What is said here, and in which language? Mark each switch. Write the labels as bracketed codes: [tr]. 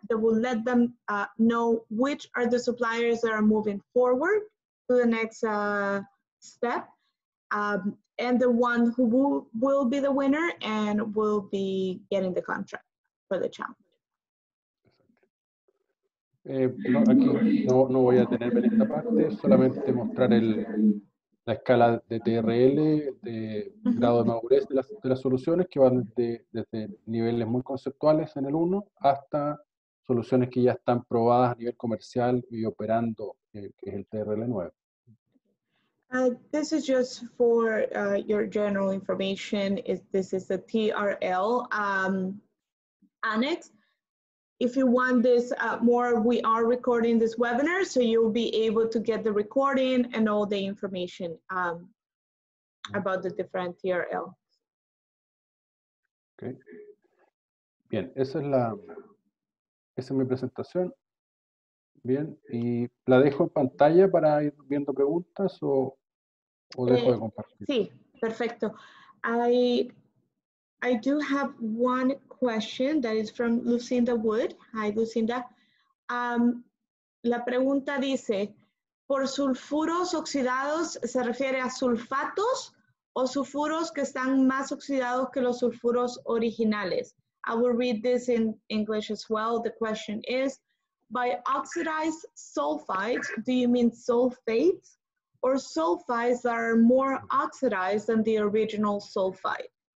[en] They will let them know which are the suppliers that are moving forward to the next step, and the one who will be the winner and will be getting the contract for the challenge. [es] No voy a tener en esta parte, solamente mostrar la escala de TRL, de grado de madurez de las soluciones, que van desde niveles muy conceptuales en el 1 hasta soluciones que ya están probadas a nivel comercial y operando, que es el TRL 9. [en] This is just for your general information. This is the TRL annex. If you want this more, we are recording this webinar, so you'll be able to get the recording and all the information about the different TRLs. [es] Okay. Bien, esa es mi presentación. Bien, y la dejo en pantalla para ir viendo preguntas o dejo de compartir. Sí, perfecto. [en] I do have one question that is from Lucinda Wood. Hi, Lucinda. [es] La pregunta dice, ¿por sulfuros oxidados se refiere a sulfatos o sulfuros que están más oxidados que los sulfuros originales? [en] I will read this in English as well. The question is, by oxidized sulfides, do you mean sulfates or sulfides that are more oxidized than the original sulfide?